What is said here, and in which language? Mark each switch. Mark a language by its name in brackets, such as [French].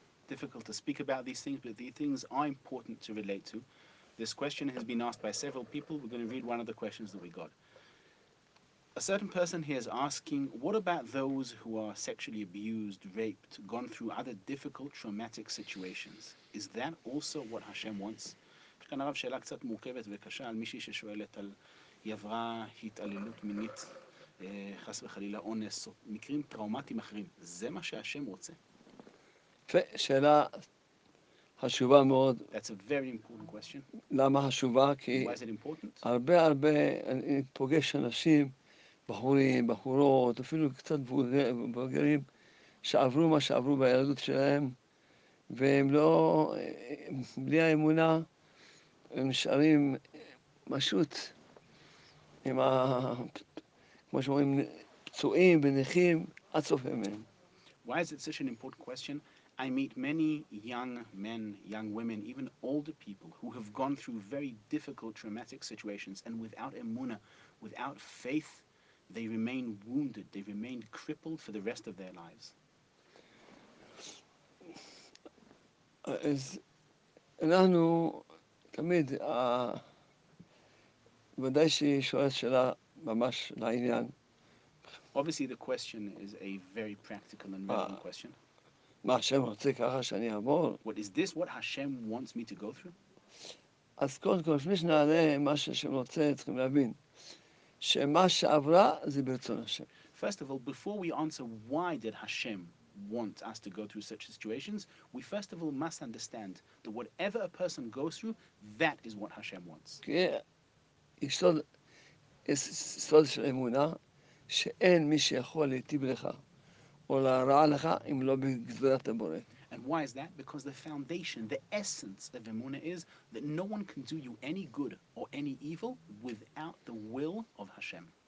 [English] Difficult to speak about these things, but these things are important to relate to. This question has been asked by several people. We're going to read one of the questions that we got. A certain person here is asking, what about those who are sexually abused, raped, gone through other difficult, traumatic situations? Is that also what Hashem wants? [Hebrew] יש כאן הרב שאלה קצת מורכבת וקשה על מישהי ששואלת על יברה התעללות מינית. חס וחלילה, אונס, מקרים טראומטיים אחרים. זה מה שהשם רוצה? שאלה חשובה מאוד. [English] That's a very important question. [Hebrew] למה חשובה? כי [English] why is it important? [Hebrew] הרבה, אני פוגש אנשים, בחורים, בחורות, אפילו קצת בוגרים, שעברו מה שעברו בילדות שלהם, והם לא, בלי האמונה, הם נשארים פשוט עם ה... כמו שאומרים, פצועים ונכים, עד סוף ימים. [English] Why is it such an important question? I meet many young men, young women, even older people who have gone through very difficult, traumatic situations, and without emunah, without faith, they remain wounded, they remain crippled for the rest of their lives. [Hebrew] אז אנחנו תמיד, ודאי ששואלת שאלה ממש לעניין, [English] obviously, the question is a very practical and relevant question. [Hebrew] מה השם רוצה ככה שאני אעבור? [English] What is this? What Hashem wants me to go through? [Hebrew] אז קודם כל, לפני שנעלה מה שהשם רוצה, צריכים להבין שמה שעברה זה ברצון השם. [English] First of all, before we answer why did Hashem want us to go through such situations, we first of all must understand that whatever a person goes through, that is what Hashem wants. [Hebrew] כי יסוד, יסוד של אמונה, שאין מי שיכול להיטיב לך או להרע לך אם לא בגזרת הבורא. [English] And why is that? Because the foundation, the essence of Emunah is that no one can do you any good or any evil without the will of Hashem.